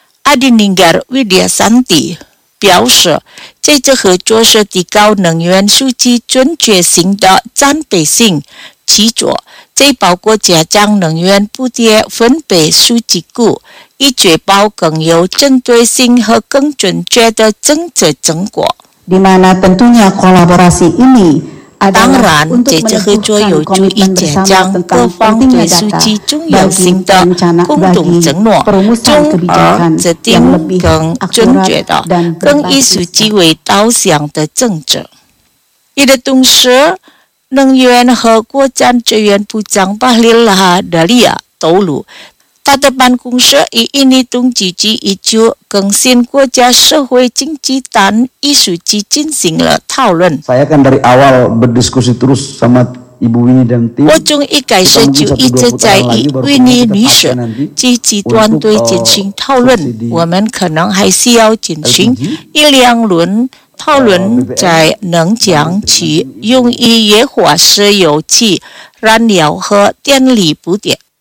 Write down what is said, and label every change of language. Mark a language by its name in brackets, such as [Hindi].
[Chinese] 阿迪宁格·维迪亚桑蒂表示，这次合作是提高能源数据准确性的战备性基础，这包括加强能源补贴分配数据库，以确保更有针对性和更准确的政策成果。 [Indonesian] Di mana tentunya kolaborasi ini adalah [Chinese] 当然，这次合作有助于加强各方对数据重要性的共同承诺，从而制定更准确的、更以数据为导向的政策。与此同时，能源和国家资源部长巴里拉达利亚透露，他的办公室与印尼统计局已就更新国家社会经济单一数据进行了讨论。 [Indonesian] Saya kan dari awal berdiskusi terus sama Ibu Winnie dan tim. [Chinese] 我从一开始就一直在与 Winnie 女士及其团队进行讨论，我们可能还需要进行一两轮讨论，在能将其用于液化石油气燃料和电力补贴。